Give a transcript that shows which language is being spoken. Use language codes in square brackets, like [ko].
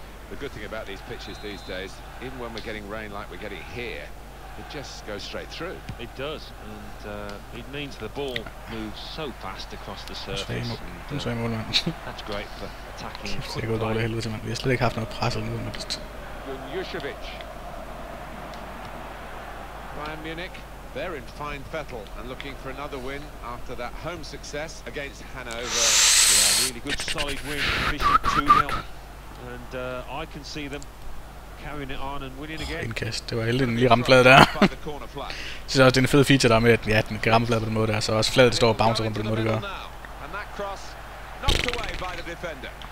[en] The good thing about these pitches these days, even when we're getting rain like we're getting here, it just goes straight through. It does, and it means the ball moves so fast across the surface. That's great for attacking. [da] Det er gået dårligt hele tiden. Vi har slet ikke haft noget pres eller noget. [en] Juszewicz. Bayern Munich. They're in fine fettle and looking for another win after that home success against Hanover. Yeah, really good solid win, efficient 2-0. And I can see them carrying it on and winning again. [da] Indkast, det var heldigt, den lige ramte flade der. Jeg synes også, det er en fed feature der med, at ja, den kan ramme flade på den måde der. Så også fladet står og bouncer rundt på den måde, det gør. [en] And that cross knocked away by the defender.